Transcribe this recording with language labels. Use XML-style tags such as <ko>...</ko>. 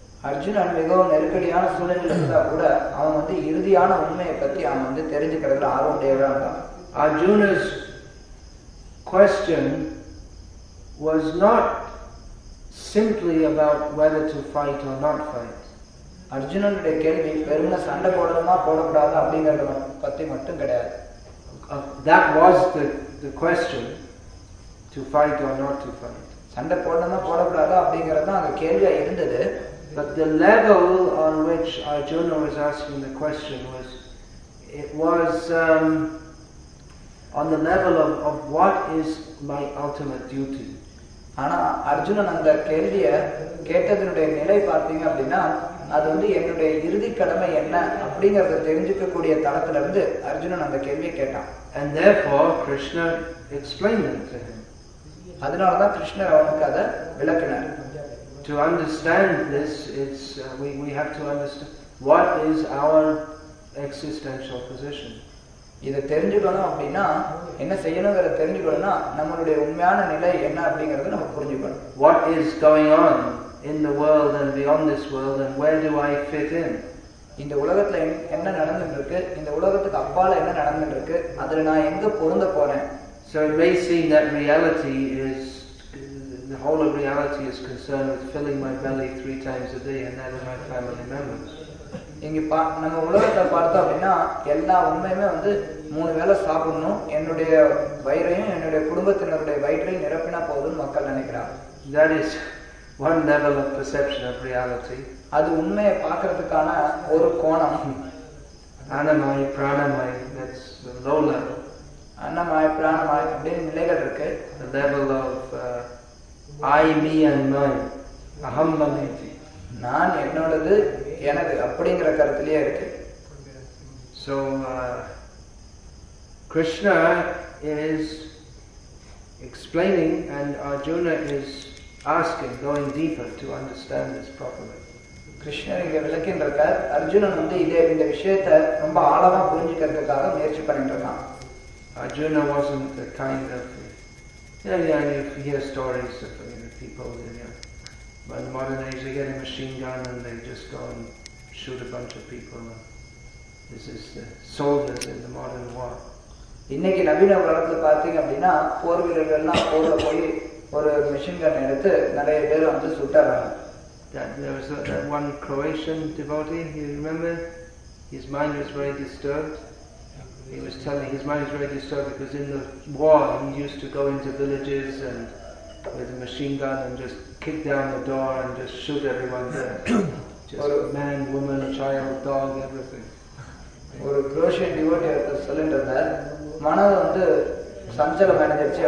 <ta>Arjuna மிகவும் நெருக்கடியான சூழ்நிலையில் கூட அவன் வந்து இறுதியான உண்மையை பற்றி அவன் வந்து தெரிஞ்சுக்கிறதுல ஆர்வம் தேவையான.</ta> <en>Arjuna's question was not simply about whether to fight or not fight.</en> <ta>அர்ஜுனனுடைய கேள்வி வெறும் சண்டை போடணுமா போடக்கூடாது அப்படிங்கறத பத்தி மட்டும் கிடையாது.</ta> <en>That was the question, to fight or not to fight.</en> <ta>சண்டை போடணுமா போடக்கூடாது அப்படிங்கறத அந்த கேள்வியா இருந்தது.</ta> <en>But the level on which Arjuna was asking the question was, it was on the level of what is my ultimate duty.</en> <ta>ஆனா அர்ஜுனன் அந்த கேள்விய கேட்டதனுடைய நிலை பார்த்தீங்க அப்படின்னா அது வந்து என்னுடைய இறுதி கடமை என்ன அப்படிங்கறத தெரிஞ்சுக்கக்கூடிய தளத்துல இருந்து அர்ஜுனன் அந்த கேள்வியை கேட்டான்.</ta> <en>And therefore Krishna explained it to him.</en> <ta>அதனாலதான் கிருஷ்ணர் அவனுக்கு அதை விளக்கினார்.</ta> <en>To understand this, it's we have to understand what is our existential position.</en> <ta>இதை தெரிஞ்சுக்கணும் அப்படின்னா என்ன செய்யணுங்கிறத தெரிஞ்சுக்கணும்னா நம்மளுடைய உண்மையான நிலை என்ன அப்படிங்கறத நம்ம புரிஞ்சுக்கணும்.</ta> <en>What is going on in the world and beyond this world, and where do I fit in?</en> <ta>இந்த உலகத்துல என்ன நடந்துருக்கு, இந்த உலகத்துக்கு அப்பால என்ன நடந்துருக்கு, அதுல நான் எங்க பொருந்த போறேன்?</ta> <en>So facing that reality is the whole of reality is concerned with filling my belly 3 times a day and that of my family members.</en> <ta>இங்க நம்ம உலகத்தை பார்த்தோம் அப்படின்னா எல்லா உண்மையுமே வந்து 3 வேளை சாப்பிடணும், என்னுடைய வயிறையும் என்னுடைய குடும்பத்தினருடைய வயிற்றையும் நிரப்பினா போதும்னு மக்கள் நினைக்கிறாங்க.</ta> <en>That is one level of perception of reality.</en> <ta>அது உண்மையை பார்க்கறதுக்கான ஒரு கோணம்.</ta> <sa>அனமாய் பிராணமாய்</sa> <en>that's low level.</en> <ta>அனமாய் பிராணமாய் அப்படின்னு நிலைகள் இருக்கு.</ta> <en>The level of I, me and mine.</en> <sa>அகம் பமேதி.</sa> <ta>நான் என்னோடது எனக்கு அப்படிங்கிற கருத்திலேயே இருக்கு.</ta> <en>So Krishna is explaining and Arjuna is asking, going deeper to understand this properly.</en> <ta>Krishna இங்க விளக்கின்றார், அர்ஜுன் வந்து இதே இந்த விஷயத்தை ரொம்ப ஆழமா புரிஞ்சுக்கிறதுக்காக முயற்சி பண்ணிட்டிருக்கான்.</ta> <en>Arjuna wasn't the kind of, you hear stories of people in by the modern age, they get a machine gun and they just go and shoot a bunch of people. This is the soldiers in the modern war.</en> <ta>இன்னைக்கு நவீன உலகத்துல பாத்தீங்க அப்படினா போர் வீரர்கள்லாம் போர்ல போய் ஒரு machine கன் எடுத்து நிறைய பேர் வந்து சுட்டறாங்க.</ta> <en>There was one Croatian devotee, you remember, his mind was very disturbed. He was telling, his mind was very disturbed because in the war he used to go into villages and with a machine gun and just kick down the door and just shoot everyone there. Just man, woman, child, dog, everything.</en> <ta>ஒரு குரோஷியன் devotee அடுத்த சொல்லிட்டு இருந்தார், மனது வந்து சஞ்சலம் அடைஞ்சிருச்சு</ta>